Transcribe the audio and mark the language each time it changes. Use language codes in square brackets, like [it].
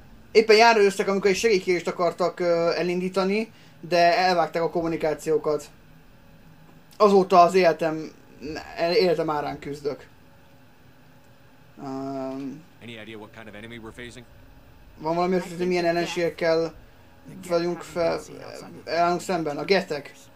[hu] Éppen járőztek, amikor egy segélykérést akartak elindítani, de elvágták a kommunikációkat. Azóta az életem árán küzdök. [en] Any idea what kind of enemy we're facing? [hu] Van valami ötlet, hogy milyen ellenségekkel vagyunk elállunk szemben? A getek.